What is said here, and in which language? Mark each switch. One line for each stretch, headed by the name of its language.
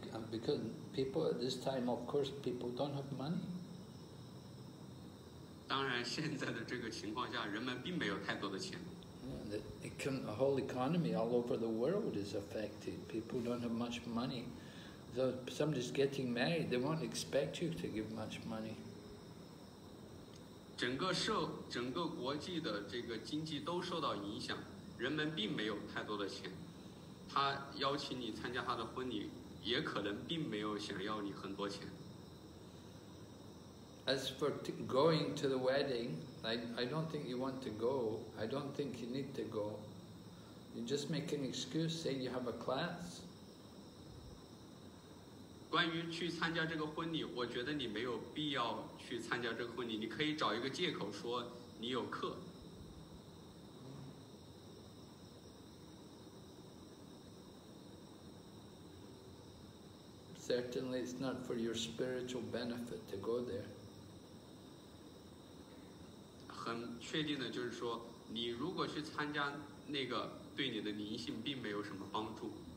English: Because people at this time, of course, people don't have money.
Chinese: 当然，现在的这个情况下，人们并没有太多的钱。
English: The whole economy all over the world is affected. People don't have much money. So somebody's getting married, they won't expect you to give much money.
Chinese: 整个国际的这个经济都受到影响，人们并没有太多的钱。他邀请你参加他的婚礼，也可能并没有想要你很多钱。
English: As for going to the wedding, I don't think you want to go. I don't think you need to go. You just make an excuse, say you have a class.
Chinese: 关于去参加这个婚礼，我觉得你没有必要去参加这个婚礼。你可以找一个借口说你有课。
English: Certainly, it's not for your spiritual benefit to go there.
Chinese: 很确定的就是说，你如果去参加那个，对你的灵性并没有什么帮助。